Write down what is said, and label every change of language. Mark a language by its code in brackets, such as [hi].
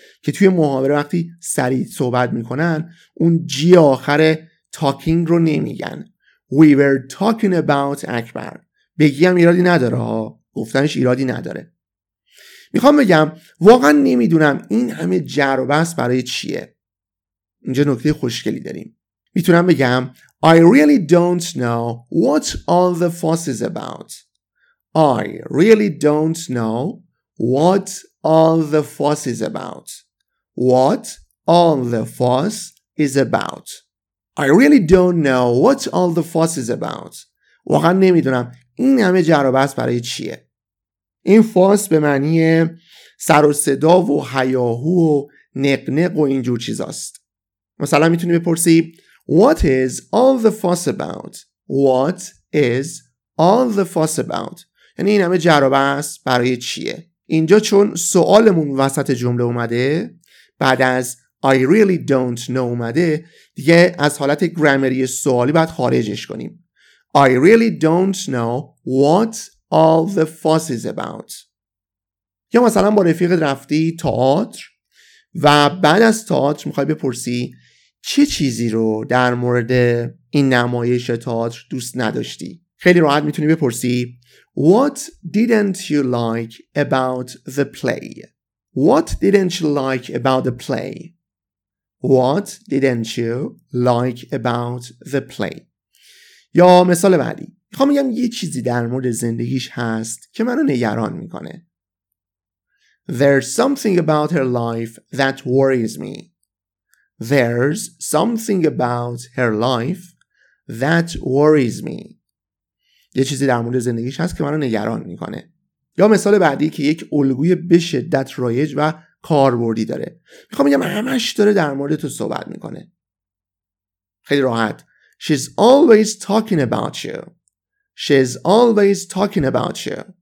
[fa] که توی محاوره وقتی سریع صحبت میکنن اون جی آخر talking رو نمیگن. [en] We were talking about Akbar. [fa] بگیم ایرادی نداره ها، گفتنش ایرادی نداره. میخوام بگم واقعا نمیدونم این همه جر و بحث برای چیه. اینجا نکته خوشگلی داریم. میتونم بگم [en] I really don't know what all the fuss is about. I really don't know what all the fuss is about. What all the fuss is about. I really don't know what all the fuss is about. [fa] واقعا نمیدونم این همه جر و بحث برای چیه. این فاس به معنی سر و صدا و هیاهو و نقنق و اینجور چیزاست. مثلا میتونی بپرسی [en] What is all the fuss about? What is all the fuss about? [fa] یعنی این همه جر و بحث برای چیه؟ اینجا چون سوالمون وسط جمله اومده، بعد از [en] I really don't know [fa] اومده، دیگه از حالت گرامری سوالی باید خارجش کنیم. [en] I really don't know what all the fuss is about. [fa] یا مثلا با رفیق رفتی تئاتر و بعد از تئاتر میخوای بپرسی چه چیزی رو در مورد این نمایش تئاتر دوست نداشتی؟ خیلی راحت میتونی بپرسی [en] What didn't you like about the play? What didn't you like about the play? What didn't you like about the play? [fa] یا مثال بعدی، میخوام بگم یه چیزی در مورد زندگیش هست که منو نگران میکنه. [en] There's something about her life that worries me. There's something about her life that worries me. [fa] یه چیزی در مورد زندگیش هست که منو نگران میکنه. یا مثال بعدی که یک الگوی به شدت رایج و کاربردی داره، میخوام بگم همش داره در مورد تو صحبت میکنه. خیلی راحت. [en] She's always talking about you. She's always talking about you.